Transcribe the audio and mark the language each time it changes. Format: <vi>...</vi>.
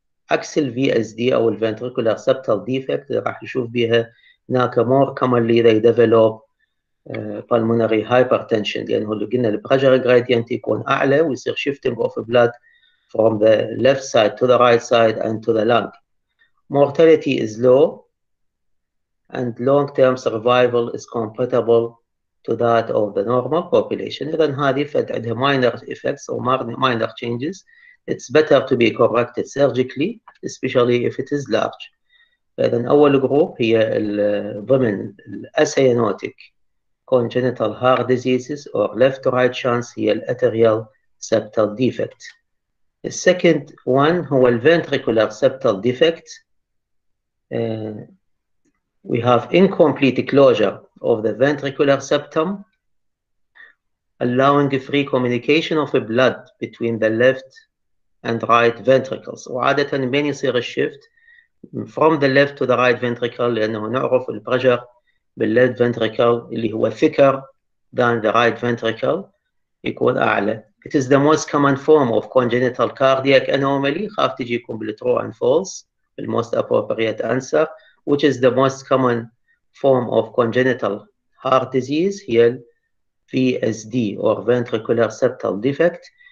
<ar>عكس ال</ar> <en>VSD</en> <ar>أو ال ventricular septal defect اللي راح نشوف بها هناك</ar> <en>more commonly they develop pulmonary hypertension</en> <ar>لأنه اللي قلنا ال</ar> <en>pressure gradient</en> <ar>يكون أعلى ويصير</ar> <en>shifting of blood from the left side to the right side and to the lung. Mortality is low and long term survival is comparable to that of the normal population.</en> <ar>إذا هذه فد عندها</ar> <en>minor effects</en> <ar>أو</ar> <en>minor changes. It's better to be corrected surgically, especially if it is large.</en> <ar>فإذا أول جروب هي ال</ar> <en>women asymptomatic congenital heart diseases or left to right shunts</en> <ar>هي ال</ar> <en>atrial septal defect. The second one</en> <ar>هو ال</ar> <en>ventricular septal defect. We have incomplete closure of the ventricular septum, allowing free communication of blood between the left and right ventricles.</en> <ar>وعادة من يصير الشيفت</ar> <en>from the left to the right ventricle</en> <ar>لأنه نعرف البرجر بالleft ventricle اللي هو</ar> <en>thicker than the right ventricle</en> <ar>يكون أعلى.</ar> <en>It is the most common form of congenital cardiac anomaly.</en> <ar>خاف تجيكم بال</ar> <en>true and false, the most appropriate answer, which is the most common form of congenital heart disease</en> <ar>هي</ar> <en>VSD or ventricular septal defect.</en>